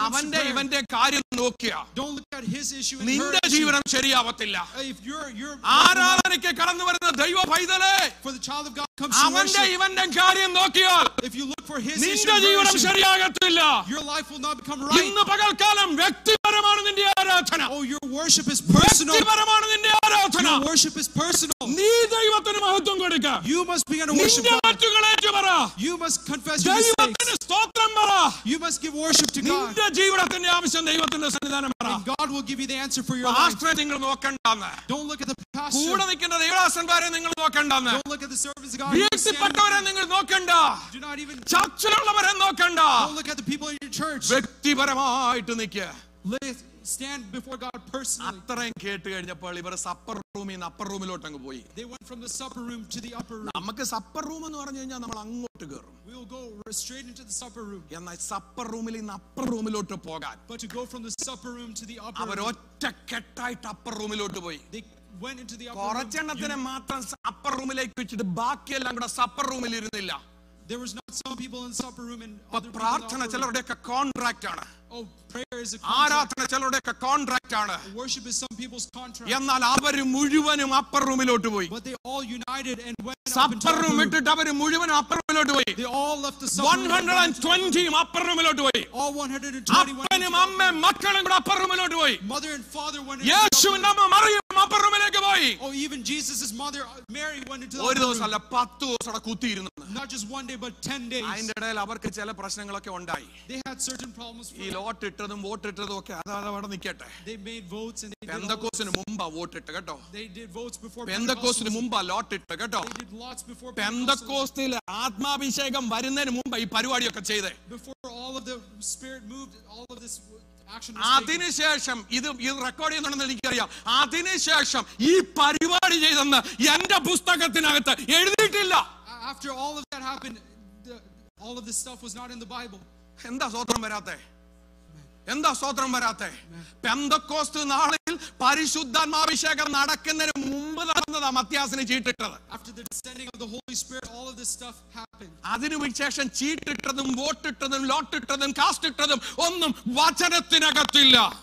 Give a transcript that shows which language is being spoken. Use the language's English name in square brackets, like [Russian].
[Malayalam] avante ivante kaariyam nokkiya. [English] Don't look at his issue in her. [Malayalam] Ninde jeevanam seriyavathilla. [English] If you're [Malayalam] aaradhanikku kadannu varunna deva paidale. [English] For the child of God comes [Malayalam] avante ivante kaariyam nokkiya. [English] If you look for his issue your life will not become right. [Malayalam] ഇന്ന് പകൽക്കാലം വ്യക്തിപരമാണ് നിന്റെ ആരാധന. [English] Oh, your worship is personal. [Malayalam] വ്യക്തിപരമാണ് നിന്റെ ആരാധന. [English] Your worship is personal. [Malayalam] നീ ദൈവത്തിന് മഹത്വം കൊടുക്ക. [English] You must begin to worship God. [Malayalam] നിന്റെ തെറ്റുകളെ ഏറ്റുപറ. [English] You must confess your sins. [Malayalam] ദൈവത്തിന് സ്തോത്രം പറ. [English] You must give worship to God. [Malayalam] നിന്റെ ജീവിതത്തിന്റെ ആവശ്യം ദൈവത്തിന്റെ സന്നിധാനം പറ. [English] And God will give you the answer for your life. [Malayalam] നിങ്ങൾ നോക്കണ്ടെന്ന്. [English] Don't look at the past. [Malayalam] കൂടെ നിൽക്കുന്ന ദൈവദാസന്മാരെ നിങ്ങൾ നോക്കണ്ടെന്ന്. [English] Don't look at the service of God. [Malayalam] വ്യക്തിപരമായി നിങ്ങൾ നോക്കണ്ട. [English] Do not even [Malayalam] ചർച്ചിലുള്ളവരെ നോക്കണ്ട. [English] Don't look at the people in your church. [Malayalam] വ്യക്തിപരമായിട്ട് നിൽക്ക. [English] Let stand before God personally. [Malayalam] അത്രയും കേട്ട് കഴിഞ്ഞപ്പോൾ ഇവർ സപ്പർ റൂമിൽ നിന്ന് അപ്പർ റൂമിലോട്ട് അങ്ങ് പോയി. [English] They went from the supper room to the upper room. [Malayalam] നമുക്ക് സപ്പർ റൂം എന്ന് പറഞ്ഞു കഴിഞ്ഞാൽ നമ്മൾ അങ്ങോട്ട് കേറും. [English] We will go straight into the supper room. [Malayalam] എന്നാൽ സപ്പർ റൂമിൽ നിന്ന് അപ്പർ റൂമിലോട്ട് പോകാൻ. [English] But to go from the supper room to the upper room. [Malayalam] അവർ ഒറ്റ കെട്ടായിട്ട് അപ്പർ റൂമിലോട്ട് പോയി. [English] They went into the upper room. [Malayalam] കുറച്ചെണ്ണത്തിനെ മാത്രം അപ്പർ റൂമിലേക്ക് വെച്ചിട്ട് ബാക്കിയെല്ലാം കൂടെ സപ്പർ റൂമിൽ ഇരുന്നില്ല. [English] There was not some people in the supper room and other people. [Malayalam] പ്രാർത്ഥന ചിലരുടെയൊക്കെ കോൺട്രാക്റ്റ് ആണ്. [English] Oh, prayer is a contract. [Malayalam] ആരാധന ചിലരുടെയൊക്കെ കോൺട്രാക്റ്റ് ആണ്. [English] Worship is some people's contract. [Malayalam] എന്നാൽ അവർ മുഴുവനും അപ്പർ റൂമിലോട്ട് പോയി. [English] But they all united and went to the upper room. [Malayalam] Supper വിട്ടിട്ട് അവർ മുഴുവനും അപ്പർ റൂമിലോട്ട് പോയി. [English] They all left the supper room. [Malayalam] 120 upper റൂമിലോട്ട് പോയി. [English] All 121. [Malayalam] അപ്പനും അമ്മയും മക്കളും കൂടെ അപ്പർ റൂമിലോട്ട് പോയി. [English] Mother and father went [Malayalam] to യേശുവിന്റെ അമ്മ മറിയയും അപ്പർ റൂമിലേക്ക് പോയി. [English] Oh, even Jesus's mother Mary went into the [Malayalam] ഒരു ദിവസം അല്ല 10 ദിവസം കൂടി കൂത്തിയിരുന്നു. [English] not just one day but 10 days. [Malayalam] അതിന്റെ ഇടയിൽ അവർക്ക് ചില പ്രശ്നങ്ങളൊക്കെ ഉണ്ടായി. [English] They had certain problems. [Malayalam] ഈ ലോട്ട് ഇട്ടതും വോട്ട് ഇട്ടതും ഒക്കെ അതാ അവിടെ നിക്കട്ടെ. [English] They made votes and they [Malayalam] പെന്തക്കോസ്തിന് മുമ്പാ vote ഇട്ട കേട്ടോ. [English] They did votes before [Malayalam] പെന്തക്കോസ്തിന് മുമ്പാ ലോട്ട് ഇട്ട കേട്ടോ. [English] They did lots before [Malayalam] പെന്തക്കോസ്തിൽ ആത്മാഭിഷേകം വരുന്നതിന് മുമ്പ് ഈ പരിപാടിയൊക്കെ ചെയ്തേ. [English] Before all of the spirit moved, all of this [Malayalam] അതിനുശേഷം ഇത് ഇത് റെക്കോർഡ് ചെയ്യുന്നുണ്ടെന്ന് എനിക്കറിയാം. അതിനുശേഷം ഈ പരിപാടി ചെയ്തെന്ന് എന്റെ പുസ്തകത്തിനകത്ത് എഴുതിയിട്ടില്ല. [English] After all of that happened, all of this stuff was not in the Bible. [Malayalam] എന്താ സ്തോത്രം വരാത്തെ? എന്താ സ്തോത്രം വരാത്തെ? പെന്തക്കോസ്ത് നാളിൽ പരിശുദ്ധാത്മാഭിഷേകം നടക്കുന്നതിന് മുമ്പ് നടന്നതാ മത്യാസിന് ചീട്ടിട്ടത്. അതിനുശേഷം ചീട്ടിട്ടതും വോട്ടിട്ടതും ലോട്ടിട്ടതും കാസ്റ്റ് ഇട്ടതും ഒന്നും വചനത്തിനകത്തില്ല.